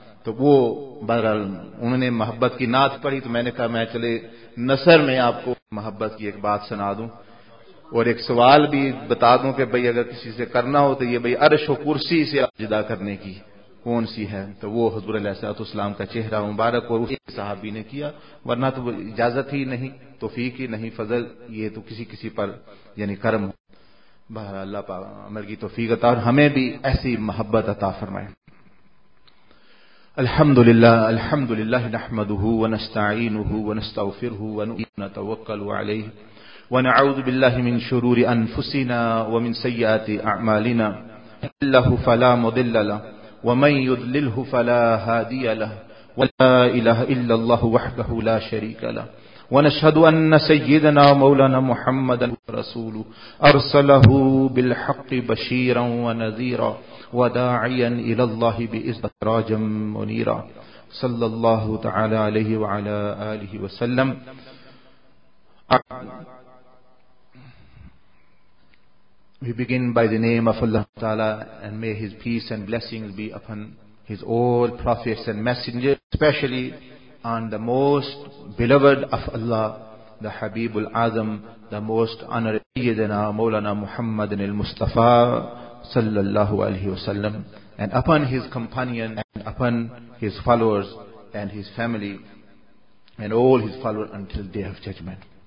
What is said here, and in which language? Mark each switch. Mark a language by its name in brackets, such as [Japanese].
[Urdu] تو وہ بہرحال انہوں نے محبت کی نعت پڑھی، تو میں نے کہا میں چلے نثر میں آپ کو محبت کی ایک بات سنا دوں، اور ایک سوال بھی بتا دوں کہ بھئی اگر کسی سے کرنا ہو تو یہ بھئی عرش و کرسی سے سجدہ کرنے کی، کون سی ہے. تو وہ حضور علیہ الصلوۃ والسلام کا چہرہ مبارک اور اسی صحابی نے کیا, ورنہ تو اجازت ہی نہیں, توفیق ہی نہیں, فضل یہ تو کسی کسی پر یعنی کرم. بہرحال اللہ پاک عمل کی توفیق عطا اور ہمیں بھی ایسی محبت عطا فرمائے. [Arabic] الحمدللہ نحمده ونستعینه ونستغفره ونتوکل علیہ ونعوذ باللہ من شرور انفسنا ومن سیئات اعمالنا, اللہ فلا مضل له ومن يضلله فلا هادي له, ولا إله إلا الله وحده لا شريك له, ونشهد أن سيدنا مولانا محمدا رسوله أرسله بالحق بشيرا ونذيرا وداعيا إلى الله بإذن سراجا منيرا, صلى الله تعالى عليه وعلى آله وسلم. [English] We begin by the name of Allah Ta'ala, and may His peace and blessings be upon His all prophets and messengers, especially on the most beloved of Allah, the Habibul Azam, the most honored Sayyidina Mawlana Muhammadin al-Mustafa [Arabic] sallallahu alayhi wa sallam, [English] and upon his companion and upon his followers and his family and all his followers until Day of Judgment.